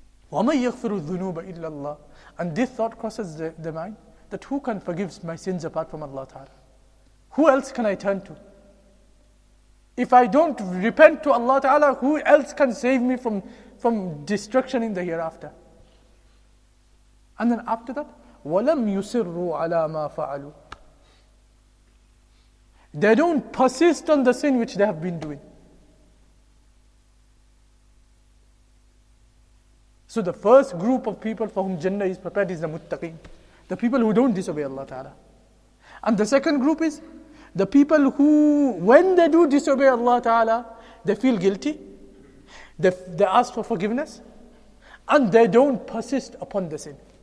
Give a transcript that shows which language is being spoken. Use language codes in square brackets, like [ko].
[ar] وَمَنْ يَغْفِرُ الذُّنُوبَ إِلَّا اللَّهِ. [en] And this thought crosses the mind, that who can forgive my sins apart from Allah Ta'ala? Who else can I turn to? If I don't repent to Allah Ta'ala, who else can save me from destruction in the hereafter? And then after that, [ar] وَلَمْ يُسِرُّوا عَلَى مَا فَعَلُوا. [en] They don't persist on the sin which they have been doing. So the first group of people for whom Jannah is prepared is the muttaqeen, the people who don't disobey Allah Ta'ala. And the second group is the people who, when they do disobey Allah Ta'ala, they feel guilty, they ask for forgiveness, and they don't persist upon the sin.